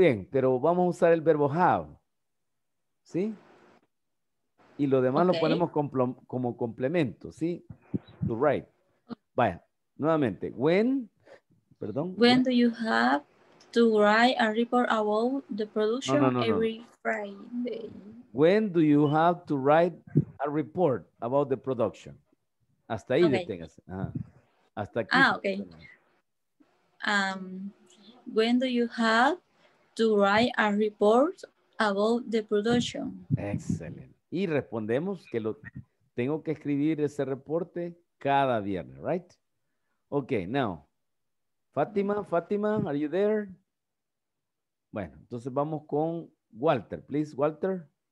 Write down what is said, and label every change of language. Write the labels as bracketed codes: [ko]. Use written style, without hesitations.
[es] Pero vamos a usar el verbo have. ¿Sí? Y lo demás okay. Lo ponemos como complemento, ¿sí? [en] To write. [es] Vaya, nuevamente. [en] When do you have to write a report about the production every Friday? When do you have to write a report about the production? [es] Hasta ahí, deténgase. Ajá. Hasta aquí. Ah, ok. [en] When do you have to write a report about the production? [es] Excelente. Y respondemos que lo tengo que escribir ese reporte cada viernes, right? [en] Okay, now. Fátima, are you there? [es] Bueno, entonces vamos con Walter, please, Walter.